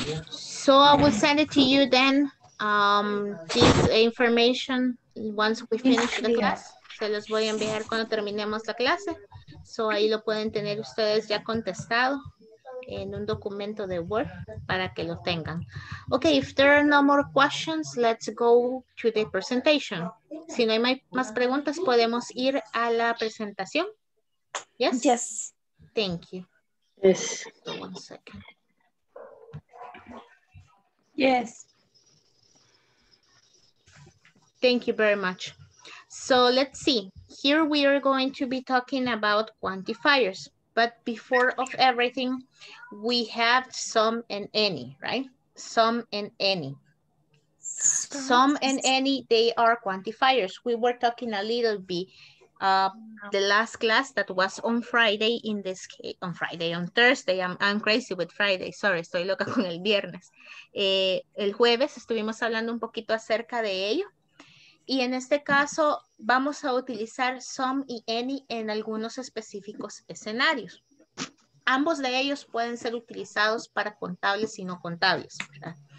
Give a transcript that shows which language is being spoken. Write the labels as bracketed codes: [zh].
[en] So I will send it to you then. This information once we finish the class. [es] Se los voy a enviar cuando terminemos la clase. So ahí lo pueden tener ustedes ya contestado en un documento de Word para que lo tengan. [en] Okay, if there are no more questions, let's go to the presentation. [es] Si no hay más preguntas, podemos ir a la presentación. [en] Yes? Yes. Thank you. Yes. Hold on a second. Yes. Thank you very much. So let's see. Here we are going to be talking about quantifiers. But before of everything, we have some and any, right? Some and any. Some and any, they are quantifiers. We were talking a little bit the last class that was on Friday, in this case, on Friday, on Thursday. I'm crazy with Friday. Sorry, [es] estoy loca con el viernes. El jueves estuvimos hablando un poquito acerca de ello. Y en este caso vamos a utilizar some y any en algunos específicos escenarios. Ambos de ellos pueden ser utilizados para contables y no contables, ¿verdad?